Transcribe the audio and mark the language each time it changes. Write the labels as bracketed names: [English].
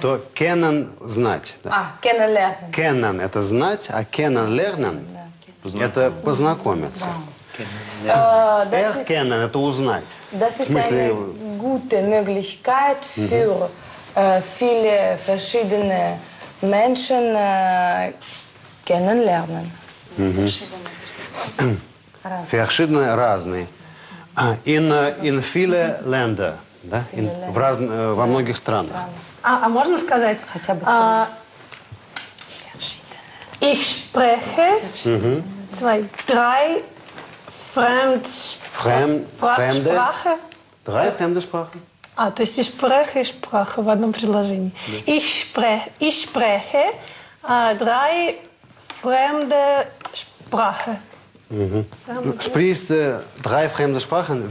[Russian] То [German] kennen [Russian] – знать. Да. [German] Kennen – lernen. Kennen [Russian] – это знать, а [German] kennen – lernen [Russian] – это познакомиться. [German] Erkennen [Russian] – это узнать. [German] Das ist eine gute Möglichkeit für viele verschiedene Menschen kennenlernen. Verschiedene – [Russian] разные. [German] In viele Länder. [Russian] Да? В раз... во многих странах. А можно сказать хотя бы? [German] Ich spreche zwei, drei fremde Sprache. Drei fremde Sprache. [Russian] А, то есть [German] ich spreche [Russian] в одном предложении. Да. [German] Ich spreche drei fremde Sprache. Sprichst du drei fremde Sprachen?